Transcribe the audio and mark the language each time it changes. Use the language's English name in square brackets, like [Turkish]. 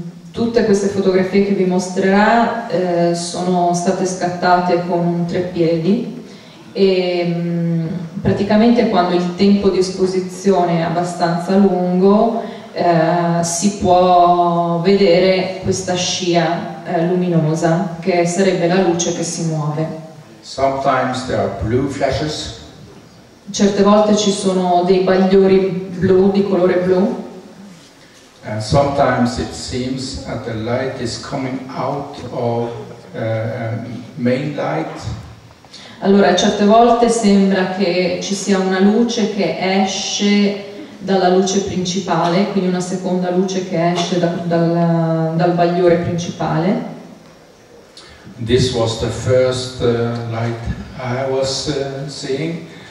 [Italian] Tutte queste fotografie che vi mostrerà sono state scattate con un treppiedi e praticamente quando il tempo di esposizione è abbastanza lungo si può vedere questa scia luminosa che sarebbe la luce che si muove. [English] Sometimes there are blue flashes. [Italian] Certe volte ci sono dei bagliori blu, di colore blu. [English] And sometimes it seems that the light is coming out of main light. [Italian] Allora, certe volte sembra che ci sia una luce che esce dalla luce principale, quindi una seconda luce che esce dal bagliore principale. [English] This was the first light I was seeing.